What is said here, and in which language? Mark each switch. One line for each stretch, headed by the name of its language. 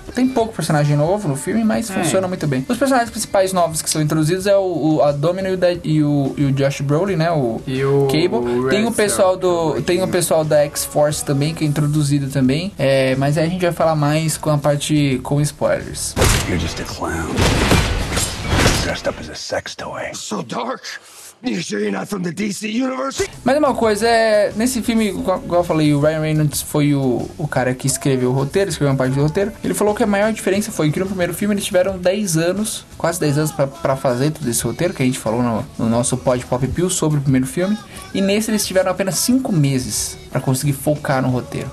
Portuguese: Tem pouco personagem novo no filme, mas funciona muito bem. Os personagens principais novos que são introduzidos é a Domino e o Josh Brolin, né? E o Cable. Tem o pessoal da X-Force também, que é introduzido também. É, mas aí a gente vai falar mais com a parte com spoilers.
English: You're just a clown. Dressed up as a sex toy. So dark. You sure you're not from the DC Universe?
Portuguese: Mas uma coisa, nesse filme, igual eu falei, o Ryan Reynolds foi o cara que escreveu o roteiro, escreveu uma parte do roteiro. Ele falou que a maior diferença foi que no primeiro filme eles tiveram 10 anos, quase 10 anos pra fazer todo esse roteiro, que a gente falou no nosso Pod Pop Pill sobre o primeiro filme. E nesse eles tiveram apenas 5 meses pra conseguir focar no roteiro.